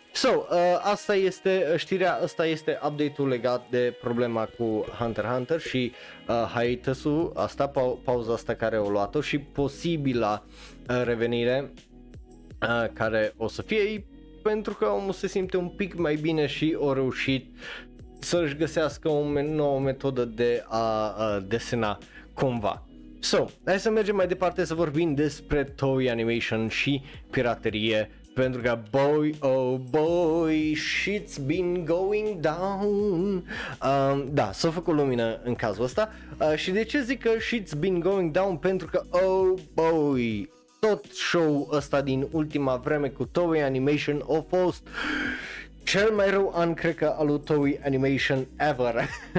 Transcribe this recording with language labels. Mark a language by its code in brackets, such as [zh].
[ro] So, asta este știrea, asta este update-ul legat de problema cu Hunter x Hunter și hiatus-ul asta, pauza asta care o luat-o și posibila revenire care o să fie, pentru că omul se simte un pic mai bine și a reușit să-și găsească o nouă metodă de a desena cumva. So, hai să mergem mai departe să vorbim despre Toei Animation și piraterie. Pentru că, [en] boy, oh boy, shit's been going down. [ro] Da, s-a făcut lumină în cazul ăsta. Și de ce zic că [en] shit's been going down? [ro] Pentru că, [en] oh boy, [ro] tot show ăsta din ultima vreme cu Toei Animation a fost cel mai rău an, cred că, al lui Toei Animation [en] ever.